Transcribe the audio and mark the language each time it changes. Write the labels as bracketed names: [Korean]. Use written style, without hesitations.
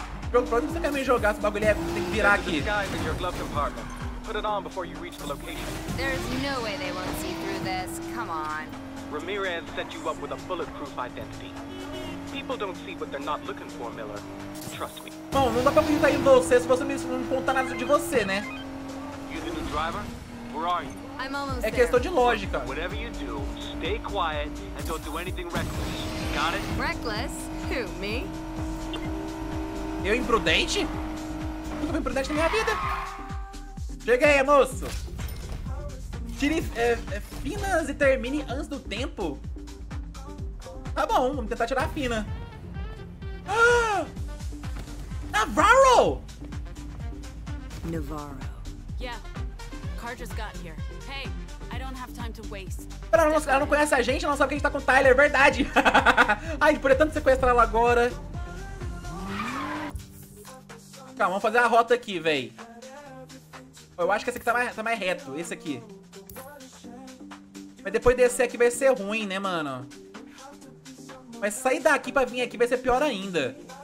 [Portuguese] Pronto, você quer me jogar? Esse bagulho tem que virar aqui. [English] Guys in your glove compartment. Put it on before you reach the location. There's no way they won't see through this. Come on. Ramirez set you up with a bulletproof identity. People don't see what they're not looking for, Miller. Trust me. [Portuguese] Bom, não dá pra acreditar em você se você não me contar nada de você, né? [English] You're the new driver? Where are you? I'm almost there. [Portuguese] É questão [English] there. [Portuguese] De lógica. [English] Whatever you do, stay quiet and don't do anything reckless. Got it? Reckless? Who, me? [Portuguese] Eu imprudente? Nunca fui imprudente na minha vida. Cheguei, moço! Tire finas e termine antes do tempo? Tá bom, vamos tentar tirar a fina. Ah! Navarro! Navarro. [English] Yeah. Car just got here. Hey, I don't have time to waste. [Portuguese] Pera, ela não conhece a gente, ela não sabe que a gente tá com o Tyler, é verdade! Ai, por tanto sequestrar ela agora. Calma, vamos fazer a rota aqui, véi. Eu acho que esse aqui tá mais reto, esse aqui. Mas depois descer aqui vai ser ruim, né, mano? Mas sair daqui pra vir aqui vai ser pior ainda.